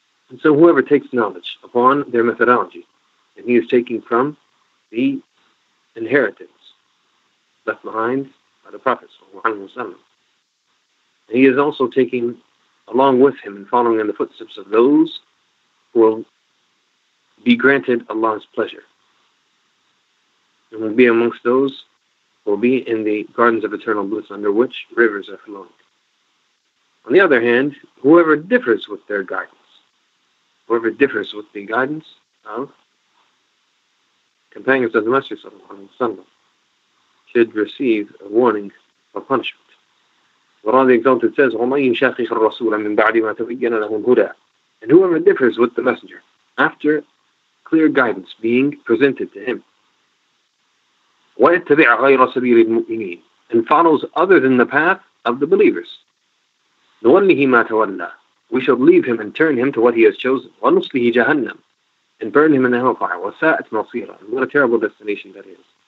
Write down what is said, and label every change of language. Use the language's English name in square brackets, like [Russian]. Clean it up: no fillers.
[English] And so whoever takes knowledge upon their methodology, and he is taking from the inheritance left behind by the Prophet ﷺ, he is also taking along with him and following in the footsteps of those who will be granted Allah's pleasure and will be amongst those who will be in the gardens of eternal bliss under which rivers are flowing. On the other hand, whoever differs with their guidance, whoever differs with the guidance of companions of the Messenger should receive a warning of punishment. Quran the Exalted says, [Arabic] وَمَنْ شَاقِقَ الرَّسُولَ مِنْ بَعْدِ مَا تَبَيَّنَ لَهُ الْهُدَىٰ. [English] And whoever differs with the Messenger after clear guidance being presented to him, [Arabic] وَيَتَّبِعَ غَيْرَ سَبِيلِ الْمُؤْمِنِينَ, [English] and follows other than the path of the believers, [Arabic] نُوَلِّهِ مَا تَوَلَّىٰ, [English] we shall leave him and turn him to what he has chosen, [Arabic] وَنُصْلِهِ جَهَنَّمَ, [English] and burn him in the hellfire, [Arabic] وَسَاءَتْ مَصِيرًا, [English] what a terrible destination that is.